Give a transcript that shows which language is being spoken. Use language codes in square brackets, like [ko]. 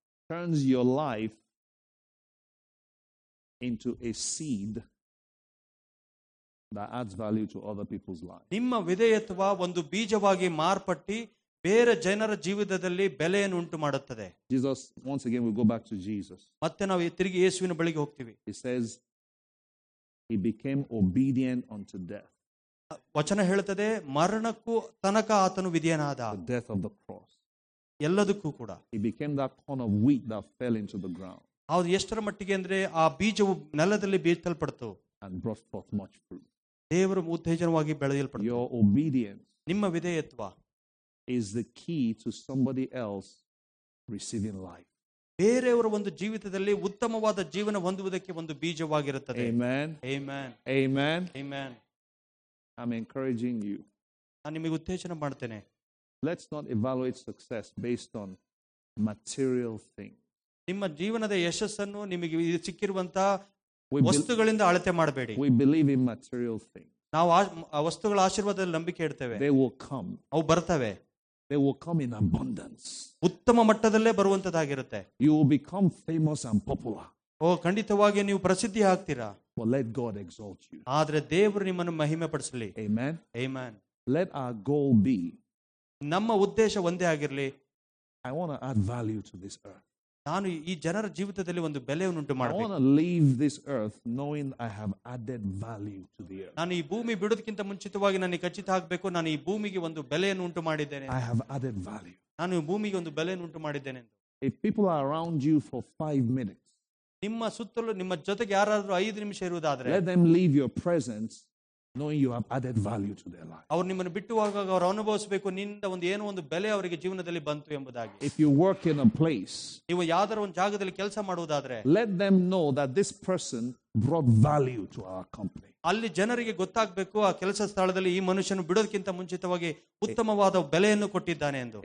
[en] Turns your life into a seed that adds value to other people's lives. [kn] ನಿಮ್ಮ ವಿಧೇಯತ್ವ ಒಂದು ಬೀಜವಾಗಿ ಮಾರ್ಪಟ್ಟಿ ಬೇರೆ ಜನರ ಜೀವಿತದಲ್ಲಿ ಬೆಲೆಯನ್ನು ಉಂಟು ಮಾಡುತ್ತದೆ. [en] Jesus, once again we go back to Jesus. [kn] ಮತ್ತೆ ನಾವು ತಿರುಗಿ ಯೇಸುವಿನ ಬಳಿಗೆ ಹೋಗ್ತೀವಿ. [en] He says he became obedient unto death. [kn] ವಚನ ಹೇಳುತ್ತದೆ ಮರಣಕ್ಕೂ ತನಕ ಆತನು ವಿಧೇಯನಾದ. [en] The death of the cross. [kn] ಎಲ್ಲದಕ್ಕೂ ಕೂಡ. [en] He became that corn of wheat that fell into the ground. [kn] ಅದು ಎಷ್ಟರ ಮಟ್ಟಿಗೆ ಅಂದ್ರೆ ಆ ಬೀಜವು ನೆಲದಲ್ಲಿ ಬೀಜಲ್ಪಡ್ತು. [en] And brought forth much fruit. [kn] ದೇವರು ಉತ್ತೇಜನವಾಗಿ ಬೆಳೆಯಲ್ಪಡ್ತು. [en] Your obedience. [kn] ನಿಮ್ಮ ವಿಧೇಯತ್ವ. [en] Is the key to somebody else receiving life. [kn] ಬೇರೆಯವರ ಒಂದು ಜೀವಿತದಲ್ಲಿ ಉತ್ತಮವಾದ ಜೀವನ ಹೊಂದುವುದಕ್ಕೆ ಒಂದು ಬೀಜವಾಗಿರುತ್ತದೆ. [en] Amen. Amen. Amen. Amen. I'm encouraging you. [kn] ನಾನು ನಿಮಗೆ ಉತ್ತೇಜನ ಮಾಡುತ್ತೇನೆ. [en] Let's not evaluate success based on material things. [kn] ನಿಮ್ಮ ಜೀವನದ ಯಶಸ್ಸನ್ನು ನಿಮಗೆ ಸಿಕ್ಕಿರುವಂತಹ ವಸ್ತುಗಳಿಂದ ಅಳತೆ ಮಾಡಬೇಡಿ. [en] We believe in material things. [kn] ನಾವು ವಸ್ತುಗಳ ಆಶೀರ್ವಾದದಲ್ಲಿ ನಂಬಿಕೆ ಇಡ್ತೇವೆ. [en] They will come. [kn] ಅವು ಬರ್ತವೆ. [en] They will come in abundance. [kn] ಉತ್ತಮ ಮಟ್ಟದಲ್ಲೇ ಬರುವಂತದ್ದಾಗಿರುತ್ತೆ. [en] You will become famous and popular. [kn] ಓ ಖಂಡಿತವಾಗಿ ನೀವು ಪ್ರಸಿದ್ಧಿ ಆಗ್ತೀರಾ. [en] But let God exalt you. [kn] ಆದರೆ ದೇವರು ನಿಮ್ಮನ್ನು ಮಹಿಮೆ ಪಡಿಸಲಿ. [en] Amen. Amen. Let our goal be. [kn] ನಮ್ಮ ಉದ್ದೇಶ ಒಂದೇ ಆಗಿರಲಿ. [en] I want to add value to this earth. [kn] ನಾನು ಈ ಜನರ ಜೀವಿತದಲ್ಲಿ ಒಂದು ಬೆಲೆಯನ್ನು ಉಂಟು ಮಾಡಬೇಕು. [en] I want to leave this earth knowing I have added value to the earth. [kn] ನಾನು ಈ ಭೂಮಿ ಬಿಡೋದಕ್ಕಿಂತ ಮುಂಚಿತವಾಗಿ ನನಗೆ ಖಚಿತ ಆಗಬೇಕು ನಾನು ಈ ಭೂಮಿಗೆ ಒಂದು ಬೆಲೆಯನ್ನು ಉಂಟು ಮಾಡಿದ್ದೇನೆ. [en] I have added value. [kn] ನಾನು ಈ ಭೂಮಿಗೆ ಒಂದು ಬೆಲೆಯನ್ನು ಉಂಟು ಮಾಡಿದ್ದೇನೆ. [en] If people are around you for 5 minutes. [kn] ನಿಮ್ಮ ಸುತ್ತಲೂ ನಿಮ್ಮ ಜೊತೆಗೆ ಯಾರಾದರೂ 5 ನಿಮಿಷ ಇರುವುದಾದರೆ. [en] Let them leave your presence knowing you have added value to their life. [kn] ಅವರು ನಿಮ್ಮನ್ನು ಬಿಟ್ಟುವಾಗ ಅವರು ಅನುಭವಿಸಬೇಕು ನಿಂದ ಒಂದು ಏನೋ ಒಂದು ಬೆಲೆ ಅವರಿಗೆ ಜೀವನದಲ್ಲಿ ಬಂತು ಎಂಬುದಾಗಿ. [en] If you work in a place, [kn] ನೀವು ಯಾವ್ದಾದ್ರು ಒಂದು ಜಾಗದಲ್ಲಿ ಕೆಲಸ ಮಾಡುವುದಾದ್ರೆ, [en] let them know that this person brought value to our company. [kn] ಅಲ್ಲಿ ಜನರಿಗೆ ಗೊತ್ತಾಗಬೇಕು ಆ ಕೆಲಸ ಸ್ಥಳದಲ್ಲಿ ಈ ಮನುಷ್ಯನು ಬಿಡೋದಕ್ಕಿಂತ ಮುಂಚಿತವಾಗಿ ಉತ್ತಮವಾದ ಬೆಲೆಯನ್ನು ಕೊಟ್ಟಿದ್ದಾನೆ ಎಂದು.